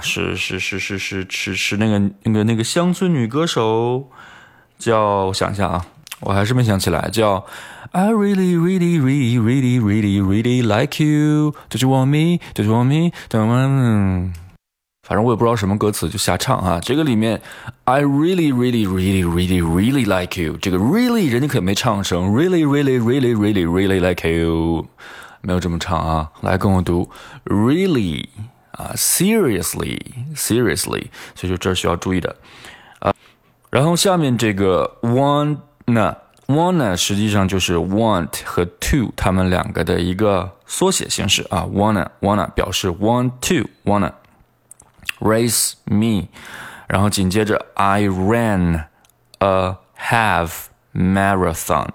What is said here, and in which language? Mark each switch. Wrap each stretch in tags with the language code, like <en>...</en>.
<zh>是那个乡村女歌手，叫我想一下啊，我还是没想起来，叫</zh> <en>I really really really really really really like you. Don't you want me? Don't you want me? Don't want me?</en> <zh>反正我也不知道什么歌词，就瞎唱啊。这个里面</zh> <en>I really really really really really like you，</en> <zh>这个 really 人家可没唱成</zh> <en>really really really really really like you，</en> <zh>没有这么唱啊。来跟我读 really、seriously seriously， 所以就这需要注意的、然后下面这个 wanna 实际上就是 want 和 to 他们两个的一个缩写形式啊。</zh> <en>wanna</en> <zh>表示</zh> <en>want to wannaRace me，</en> <zh>然后紧接着</zh> <en>I ran a half marathon。</en>